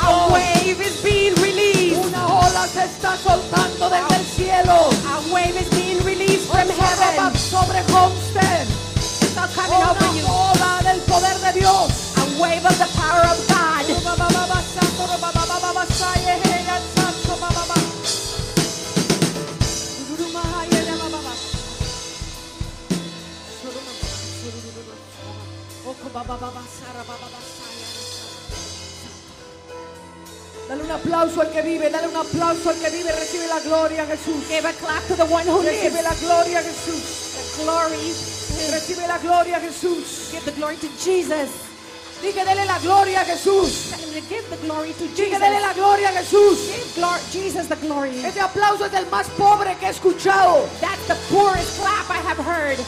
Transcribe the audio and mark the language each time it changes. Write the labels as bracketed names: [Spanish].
[English] A wave is being released. [Spanish] Una ola se está soltando desde el cielo. [English] A wave is being released from heaven. [Spanish] Va sobre Homestead. [English] It's not coming [Spanish] una [English] over you. [Spanish] Una ola del poder de Dios. [English] A wave of the power of God. [Spanish] Dale un aplauso al que vive, dale un aplauso al que vive, recibe la gloria, Jesús. [English] Give a clap to the one who lives. [Spanish] Recibe la gloria, Jesús. [English] The glory. [Spanish] Recibe la gloria, Jesús. [English] Give the glory to Jesus. [Spanish] Dile, dale la gloria, Jesús. [English] Give the glory to Jesus. [Spanish] Dile, dale la gloria, Jesús. [English] Give glory, Jesus, the glory. [Spanish] Este aplauso es del más pobre que he escuchado. [English] That's the poorest clap I have heard.